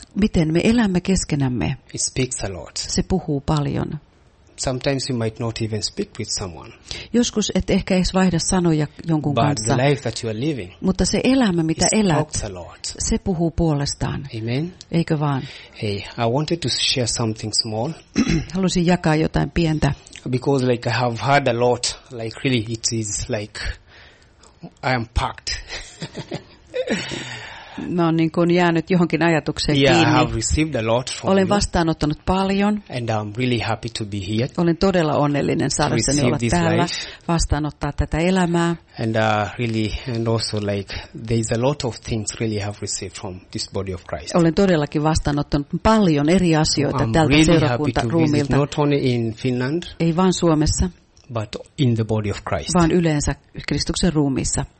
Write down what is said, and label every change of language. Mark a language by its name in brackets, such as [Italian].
[Finnish] Miten me elämme keskenämme. [English] It speaks a lot. [Finnish] Se puhuu paljon. [English] Sometimes you might not even speak with someone. [Finnish] Joskus et ehkä edes vaihda sanoja jonkun [English] but [Finnish] kanssa. [English] The life that you are living, [Finnish] mutta se elämä, mitä elät, [English] talks a lot. [Finnish] Se puhuu puolestaan. [English] Amen. [Finnish] Eikö vaan? [English] Hey, I wanted to share something small. [Finnish] Halusin jakaa jotain pientä. [English] Because like I have heard a lot, like really it is like I am packed. [Finnish] Mä oon niin kuin jäänyt johonkin ajatukseen [English] yeah, [Finnish] kiinni. [English] Lot [Finnish] olen vastaanottanut paljon. [English] And I'm really happy to be here. [Finnish] Olen todella onnellinen saadessani olla täällä vastaanottaa tätä elämää. [English] And really and also like there's a lot of things really have received from this body of Christ. [Finnish] Olen todellakin vastaanottanut paljon eri asioita [English] I'm [Finnish] tältä [English] really [Finnish] seurakuntaruumilta. [English] Not only in Finland. [Finnish] Ei vain Suomessa. [English] But in the body of Christ. [Finnish] Vaan yleensä Kristuksen ruumiissa.